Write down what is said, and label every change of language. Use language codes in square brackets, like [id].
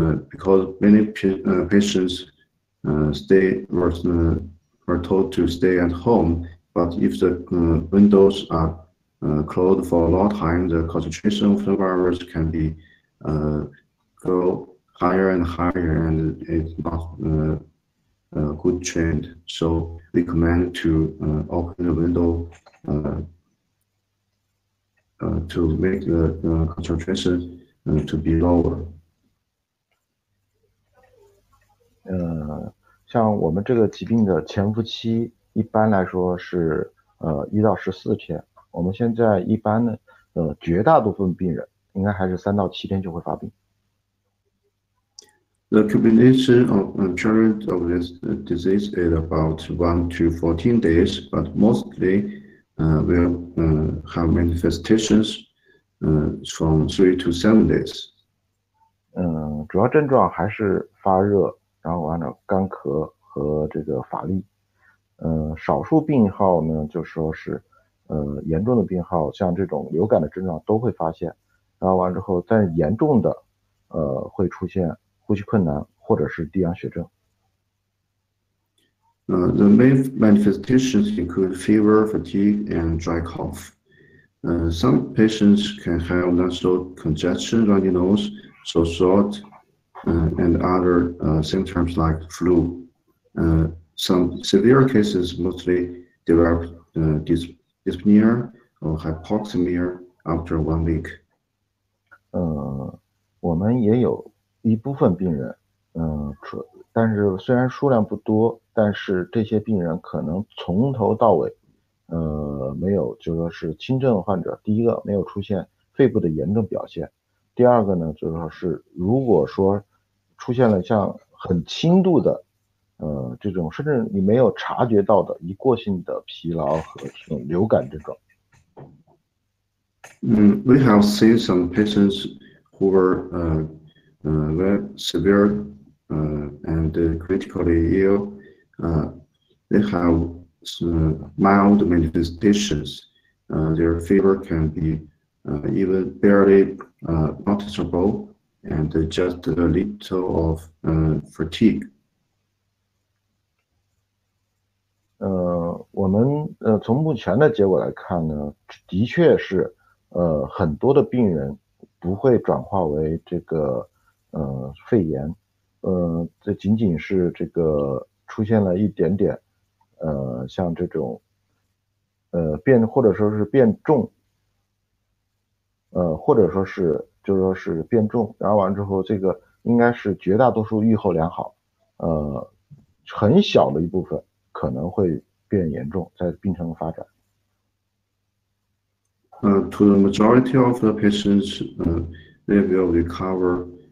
[en] Because many patients were told to stay at home, but if the windows are closed for a long time, the concentration of the virus can be go higher and higher, and it's not good trend. So we recommend to open the window to make the concentration to be lower. [zh] 像我们这个疾病的潜伏期一般来说是1到14天，我们现在一般呢绝大部分病人应该还是3到7天就会发病。 [en] The combination of current of this disease is about 1 to 14 days, but mostly will have manifestations from 3 to 7 days. [zh] 主要症状还是发热，然后完了干咳和这个乏力。少数病号呢，就是说是严重的病号，像这种流感的症状都会发现，然后完之后，但是严重的会出现呼吸困难或者是低氧血症。 [en] The main manifestations include fever, fatigue, and dry cough. Some patients can have nasal congestion, runny nose, sore throat, and other symptoms like flu. Some severe cases mostly develop dyspnea or hypoxemia after 1 week. [zh] 我们也有一部分病人，但是虽然数量不多，但是这些病人可能从头到尾，没有，就说是轻症患者，第一个没有出现肺部的炎症表现，第二个呢，就是说是如果说出现了像很轻度的这种甚至你没有察觉到的一过性的疲劳和这种流感症状。 [en] We have seen some patients who were very severe and critically ill. They have mild manifestations. Their fever can be even barely noticeable and just a little of fatigue. [zh] 我们从目前的结果来看呢，的确是很多的病人不会转化为这个肺炎，这仅仅是这个出现了一点点像这种变或者说是变重，或者说是就是说是变重，然后完之后这个应该是绝大多数预后良好，很小的一部分可能会变严重，在病程发展。 [en] To the majority of the patients, they will recover.